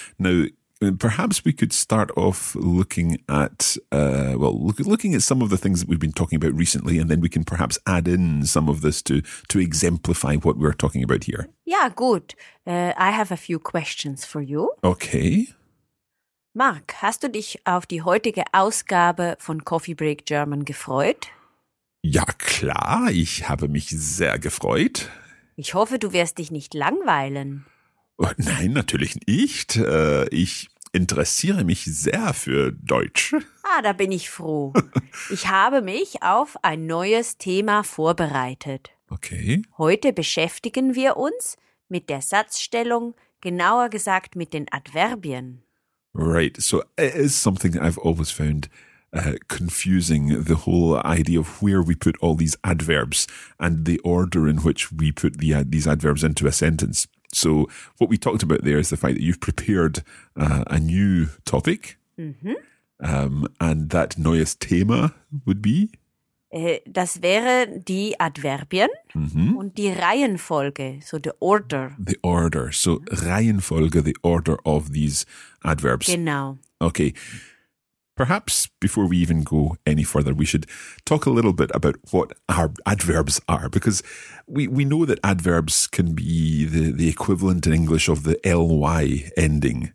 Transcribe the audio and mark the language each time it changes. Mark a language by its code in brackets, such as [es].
[en] Now, perhaps we could start off looking at, looking at some of the things that we've been talking about recently, and then we can perhaps add in some of this to exemplify what we're talking about here. Yeah, good. I have a few questions for you. Okay. [de] Marc, hast du dich auf die heutige Ausgabe von Coffee Break German gefreut? Ja, klar, ich habe mich sehr gefreut. Ich hoffe, du wirst dich nicht langweilen. Oh, nein, natürlich nicht. Ich interessiere mich sehr für Deutsch. Ah, da bin ich froh. Ich habe mich auf ein neues Thema vorbereitet. Okay. Heute beschäftigen wir uns mit der Satzstellung, genauer gesagt mit den Adverbien. [en] Right, so it is something I've always found confusing, the whole idea of where we put all these adverbs and the order in which we put these adverbs into a sentence. So what we talked about there is the fact that you've prepared a new topic, mm-hmm. And that [de] neues Thema [en] would be? [de] Das wäre die Adverbien, mm-hmm. und die Reihenfolge, [en] so the order. The order, so Reihenfolge, the order of these adverbs. [de] Genau. [en] Okay, perhaps before we even go any further, we should talk a little bit about what our adverbs are, because we know that adverbs can be the equivalent in English of the ly ending.